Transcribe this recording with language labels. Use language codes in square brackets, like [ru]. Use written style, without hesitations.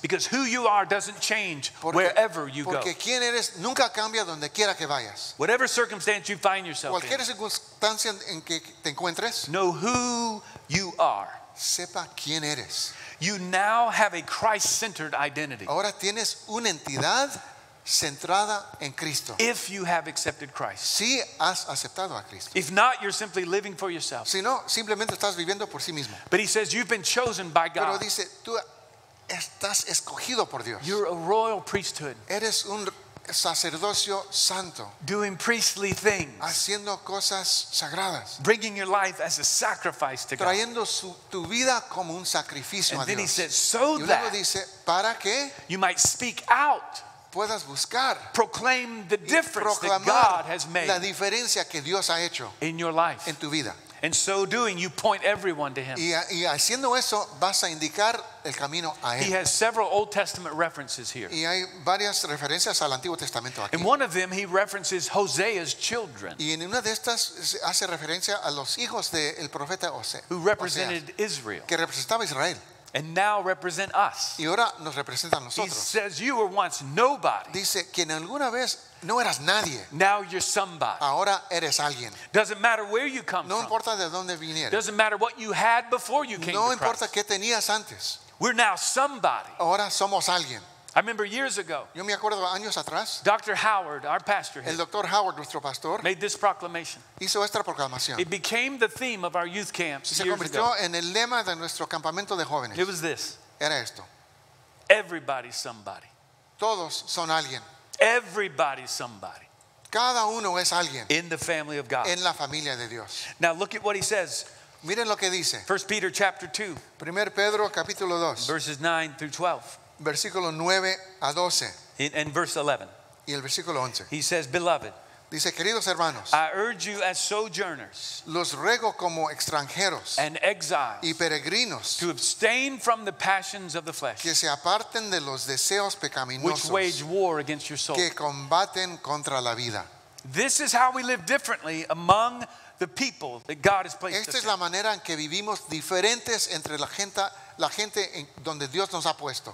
[en] Because who you are doesn't change wherever you go. [es] Porque quién eres nunca cambia donde quiera que vayas. [en] Whatever circumstance you find yourself in. [es] Cualquier circunstancia en que te encuentres. [en] Know who you are. [es] Sepa quién eres. [en] You now have a Christ-centered identity. [es] Ahora tienes una entidad centrada en Cristo. [en] If you have accepted Christ. [es] Si has aceptado a Cristo. [en] If not, you're simply living for yourself. [es] Si no, simplemente estás viviendo por sí mismo. [en] But he says you've been chosen by God. [es] Pero dice, tú estás escogido por Dios. [en] You're a royal priesthood. [es] Eres un sacerdocio santo. [en] Doing priestly things. [es] Haciendo cosas sagradas. [en] Bringing your life as a sacrifice to God. [es] Trayendo tu vida como un sacrificio a Dios. [en] And then he says, so that. [es] Y luego dice, para que [en] you might speak out. [es] Puedas buscar, [en] proclaim the difference that God has made [es] la diferencia que Dios ha hecho [en] in your life. [es] En tu vida. [en] And so doing, you point everyone to Him. [es] Y haciendo eso, vas a indicar el camino a Él. [en] He has several Old Testament references here. [es] Y hay varias referencias al Antiguo Testamento aquí. [en] In one of them, he references Hosea's children. [es] Y en una de estas hace referencia a los hijos del profeta Hosea, [en] who represented Israel. [es] Que representaba Israel. [en] And now represent us. [es] Y ahora nos representan nosotros. [en] He says you were once nobody. [es] Dice que en alguna vez no eras nadie. [en] Now you're somebody. [es] Ahora eres alguien. [en] Doesn't matter where you come [es] no [en] from. [es] Importa de dónde vinieras. [en] Doesn't matter what you had before you came [es] no No importa qué tenías antes. [en] We're now somebody. [es] Ahora somos alguien. [en] I remember years ago. [es] Yo me acuerdo años atrás. [en] Dr. Howard, our pastor here. [es] El Dr. Howard, nuestro pastor, [en] made this proclamation. [es] Hizo esta proclamación. [en] It became the theme of our youth camps years ago. [es] Se convirtió en el lema de nuestro campamento de jóvenes. [en] It was this. [es] Era esto. [en] Everybody's somebody. [es] Todos son alguien. [en] Everybody's somebody. [es] Cada uno es alguien. [en] In the family of God. [es] En la familia de Dios. [en] Now look at what he says. [es] Miren lo que dice. [en] 1 Peter chapter 2. [es] Primer Pedro capítulo 2. [en] Verses 9 through 12. [es] Versículo 9 a 12. [en] And verse 11. [es] Y el versículo 11. [en] He says, beloved. [es] Dice, queridos hermanos. [en] I urge you as sojourners. [es] Los ruego como extranjeros. [en] And exiles. [es] Y peregrinos. [en] To abstain from the passions of the flesh. [es] Que se aparten de los deseos pecaminosos. [en] Which wage war against your soul. [es] Que combaten contra la vida. [en] This is how we live differently among the people that God has placed us. [es] Esta es la manera en que vivimos diferentes entre la gente. La gente en donde Dios nos ha puesto.